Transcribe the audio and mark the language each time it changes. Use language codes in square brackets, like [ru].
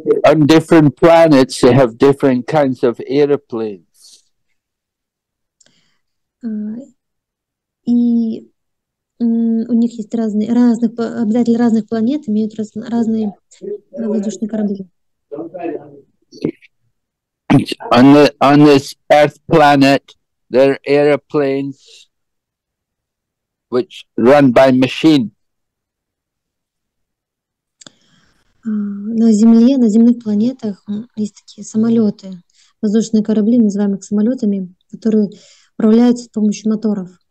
[en] On different planets, they have different kinds of airplanes. [ru] И у них есть разных обитатели разных планет имеют разные воздушные корабли. [en] On this Earth planet, there are airplanes which run by machine. [ru] На Земле, на земных планетах есть такие самолеты, воздушные корабли, называемые самолетами, которые управляются с помощью моторов.